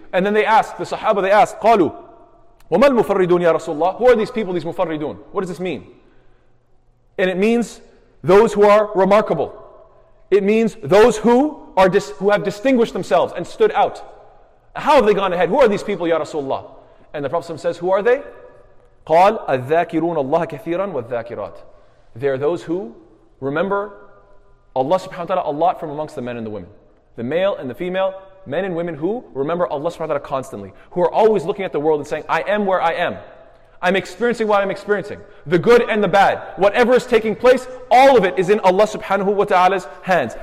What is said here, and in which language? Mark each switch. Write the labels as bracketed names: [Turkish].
[English] And then they ask, the Sahaba, they ask, [Arabic] قَالُوا وَمَا الْمُفَرِّدُونَ يَا رَسُولَ اللَّهِ. [English] Who are these people, these Mufarridun? What does this mean? And it means those who are remarkable. It means those who are who have distinguished themselves and stood out. How have they gone ahead? Who are these people, Ya Rasulullah? And the Prophet says, who are they? [Arabic] قال الذاكرون الله كثيرا والذاكرات. [English] They are those who remember Allah subhanahu wa ta'ala a lot from amongst the men and the women. The male and the female, men and women who remember Allah subhanahu wa ta'ala constantly. Who are always looking at the world and saying, I am where I am. I'm experiencing what I'm experiencing. The good and the bad. Whatever is taking place, all of it is in Allah subhanahu wa ta'ala's hands.